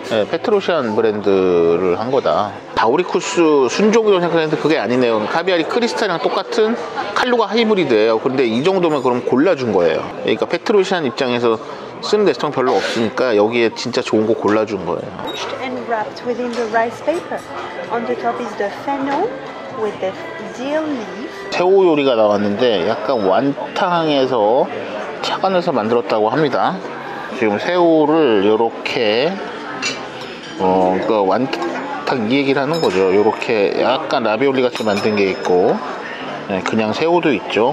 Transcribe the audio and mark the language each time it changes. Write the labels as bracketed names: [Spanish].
[Korean] 네, 페트로시안 브랜드를 한 거다. 다우리쿠스 순종이라고 생각했는데 그게 아니네요. 카비아리 크리스탈이랑 똑같은 칼루가 하이브리드예요. 근데 이 정도면 그럼 골라준 거예요. 그러니까 페트로시안 입장에서 쓰는 레스토랑 별로 없으니까 여기에 진짜 좋은 거 골라준 거예요. [English] Pushed and wrapped within the rice paper. On the top is the fennel with the dill leaf. [Korean] 새우 요리가 나왔는데 약간 완탕에서 차관해서 만들었다고 합니다. 지금 새우를 이렇게 그러니까 완탕 이 얘기를 하는 거죠. 이렇게 약간 라비올리 같이 만든 게 있고 그냥 새우도 있죠.